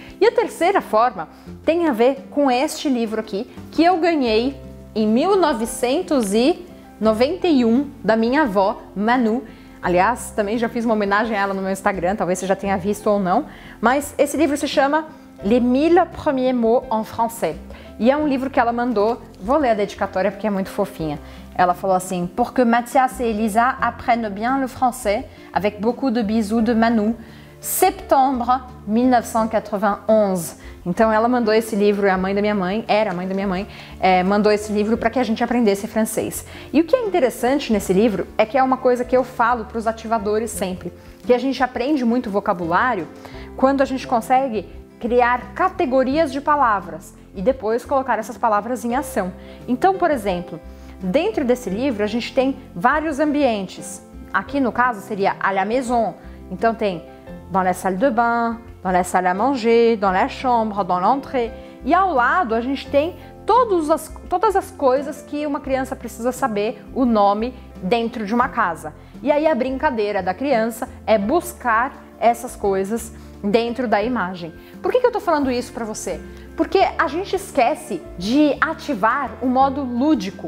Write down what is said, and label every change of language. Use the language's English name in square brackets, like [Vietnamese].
[Portuguese] E a terceira forma tem a ver com este livro aqui, que eu ganhei em 1991 da minha avó, Manu. Aliás, também já fiz uma homenagem a ela no meu Instagram, talvez você já tenha visto ou não. Mas esse livro se chama [French] Les mille premiers mots en français. [Portuguese] E é um livro que ela mandou. Vou ler a dedicatória porque é muito fofinha. Ela falou assim: [French] Pour que Mathias et Elisa apprennent bien le français, avec beaucoup de bisous de Manu, septembre 1991. [Portuguese] Então ela mandou esse livro, era a mãe da minha mãe, mandou esse livro para que a gente aprendesse francês. E o que é interessante nesse livro é que é uma coisa que eu falo para os ativadores sempre, que a gente aprende muito vocabulário quando a gente consegue criar categorias de palavras e depois colocar essas palavras em ação. Então, por exemplo, dentro desse livro a gente tem vários ambientes. Aqui no caso seria [French] à la maison. [Portuguese] Então tem [French] dans la salle de bain, dans la salle à manger, dans la chambre, dans l'entrée. [Portuguese] E ao lado a gente tem todas as coisas que uma criança precisa saber o nome dentro de uma casa. E aí a brincadeira da criança é buscar essas coisas dentro da imagem. Por que eu tô falando isso pra você? Porque a gente esquece de ativar o modo lúdico.